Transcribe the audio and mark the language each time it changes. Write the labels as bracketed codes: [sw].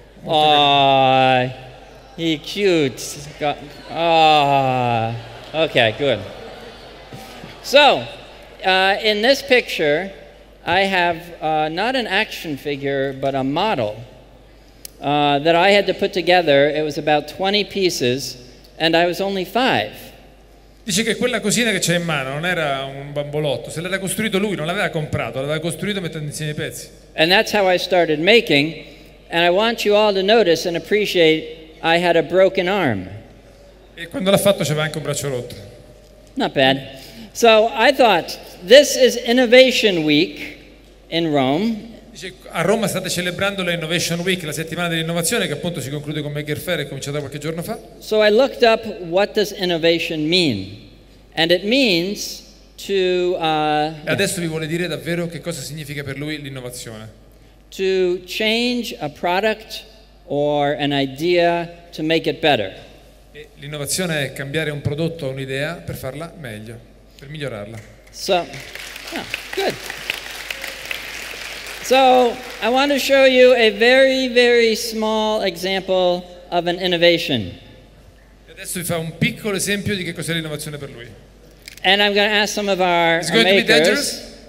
[en] Aww. He's cute. Okay, good. So, in this picture, I have not an action figure, but a model that I had to put together. It was about 20 pieces, and I was only 5. [it] Dice che quella cosina che c'è in mano non era un bambolotto. Se l'aveva costruito lui, non l'aveva comprato, l'aveva costruito mettendo insieme I pezzi. [en] And that's how I started making, and I want you all to notice and appreciate I had a broken arm. [it] E quando l'ha fatto c'aveva anche un braccio rotto. [en] Not bad. So I thought, this is Innovation Week in Rome. [it] Dice, a Roma state celebrando l'Innovation Week, la settimana dell'innovazione, che appunto si conclude con Maker Faire, è cominciata qualche giorno fa. [en] So I looked up what does innovation mean. And it means to... [it] E adesso vi vuole dire davvero che cosa significa per lui l'innovazione. [en] To change a product or an idea to make it better. [it] L'innovazione è cambiare un prodotto o un'idea per farla meglio, per migliorarla. [en] So, yeah, good. So, I want to show you a very, very small example of an innovation. [it] Adesso vi fa un piccolo esempio di che cos'è l'innovazione per lui. [en] And I'm going to ask some of our makers. Is going to be dangerous?